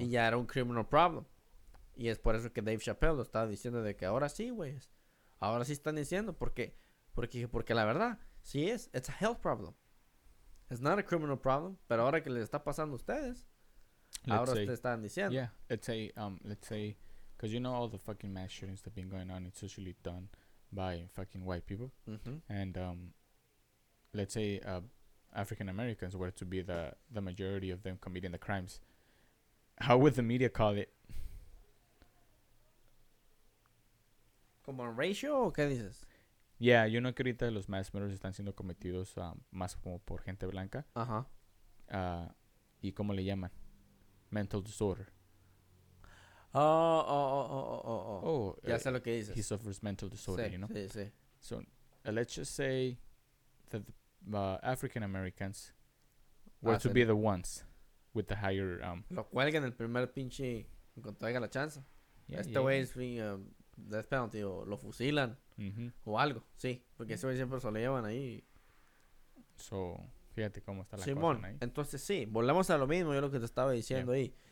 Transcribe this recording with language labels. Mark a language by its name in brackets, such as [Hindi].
[Spanish] Y ya era un [English] criminal problem. [Spanish] Y es por eso que Dave Chappelle lo estaba diciendo de que ahora sí, güey. Ahora sí están diciendo. Porque la verdad, sí es. [English] It's a health problem. It's not a criminal problem. [Spanish] Pero ahora que les está pasando a ustedes, están diciendo. [English] Yeah, let's say, because you know all the fucking mass shootings that have been going on, it's usually done by fucking white people. Mm-hmm. And let's say African Americans were to be the majority of them committing the crimes. How would the media call it? [Spanish] ¿Como un ratio o qué dices? [English] Yeah, [Spanish] yo no creo que ahorita los [English] mass murders [Spanish] están siendo cometidos más como por gente blanca. Ajá. ¿Y cómo le llaman? [English] Mental disorder. [Spanish] Oh. Ya sé lo que dices. [English] He suffers mental disorder, [Spanish] sí, [English] you know? [Spanish] Sí. [English] So, let's just say that the African Americans were to be the ones with the higher... [Spanish] Lo cuelguen el primer pinche cuando tenga la chance. [English] Yeah, [Spanish] este güey es bien... [English] Death penalty, [Spanish] o lo fusilan. Uh-huh. O algo, sí. Porque ese güey siempre se lo llevan ahí. [English] So, [Spanish] fíjate cómo está la Simón, cosa ahí. Entonces sí, volvemos a lo mismo. Yo lo que te estaba diciendo, [English] yeah.